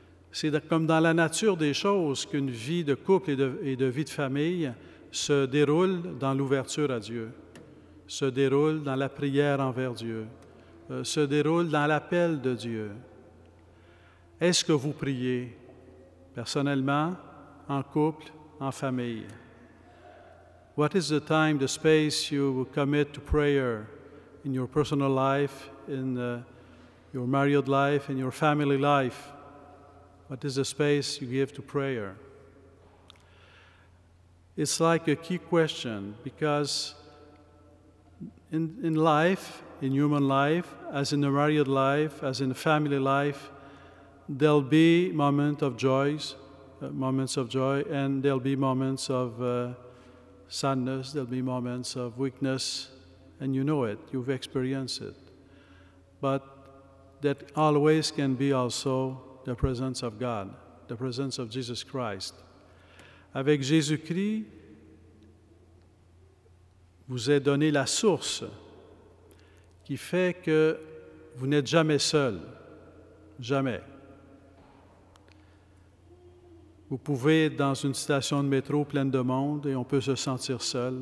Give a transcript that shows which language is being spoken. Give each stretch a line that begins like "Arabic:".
French: C'est comme dans la nature des choses qu'une vie de couple et de vie de famille se déroule dans l'ouverture à Dieu, se déroule dans la prière envers Dieu, se déroule dans l'appel de Dieu. Est-ce que vous priez personnellement, en couple, en famille?
English: What is the time, the space you commit to prayer in your personal life, in your married life, in your family life? What is the space you give to prayer? It's like a key question, because in life, in human life, as in a married life, as in a family life, there'll be moments of joys, moments of joy, and there'll be moments of sadness, there'll be moments of weakness, and you know it, you've experienced it. But that always can be also the presence of God, the presence of Jesus Christ.
French: Avec Jésus-Christ, vous est donné la source qui fait que vous n'êtes jamais seul, jamais. Vous pouvez être dans une station de métro pleine de monde et on peut se sentir seul.